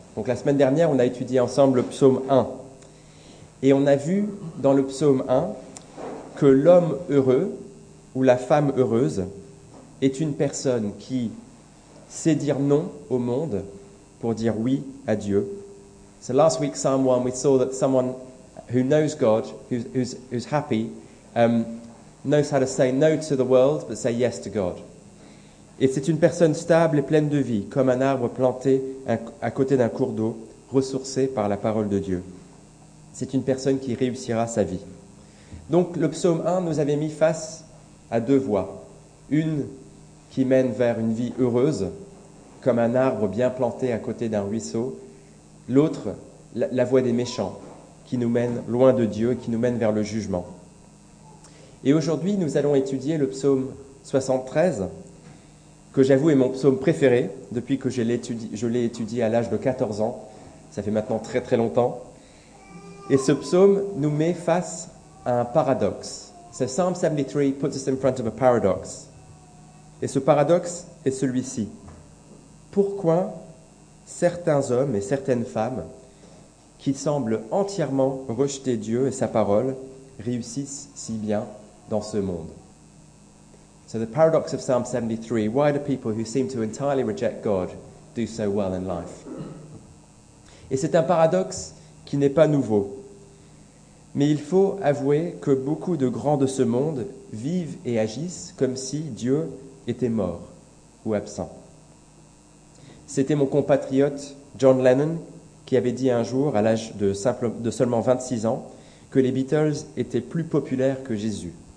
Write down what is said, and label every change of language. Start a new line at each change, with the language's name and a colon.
French: Donc la semaine dernière, on a étudié ensemble le psaume 1. Et on a vu dans le psaume 1 que l'homme heureux ou la femme heureuse est une personne qui sait dire non au monde pour dire oui à Dieu.
English: So last week, Psalm 1, we saw that someone who knows God, who's happy, knows how to say no to the world, but say yes to God.
French: Et c'est une personne stable et pleine de vie, comme un arbre planté à côté d'un cours d'eau, ressourcé par la parole de Dieu. C'est une personne qui réussira sa vie. Donc le psaume 1 nous avait mis face à deux voies. Une qui mène vers une vie heureuse, comme un arbre bien planté à côté d'un ruisseau. L'autre, la voie des méchants, qui nous mène loin de Dieu et qui nous mène vers le jugement. Et aujourd'hui, nous allons étudier le psaume 73, que j'avoue est mon psaume préféré depuis que je l'ai étudié à l'âge de 14 ans. Ça fait maintenant très très longtemps. Et ce psaume nous met face à un paradoxe.
English: So Psalm 73 puts us in front of a paradox.
French: Et ce paradoxe est celui-ci. Pourquoi certains hommes et certaines femmes qui semblent entièrement rejeter Dieu et sa parole réussissent si bien dans ce monde?
English: So the paradox of Psalm 73, why do people who seem to entirely reject God do so well in life?
French: Et c'est un paradoxe qui n'est pas nouveau. Mais il faut avouer que beaucoup de grands de ce monde vivent et agissent comme si Dieu était mort ou absent. C'était mon compatriote John Lennon qui avait dit un jour, à l'âge de seulement 26 ans, que les Beatles étaient plus populaires que Jésus.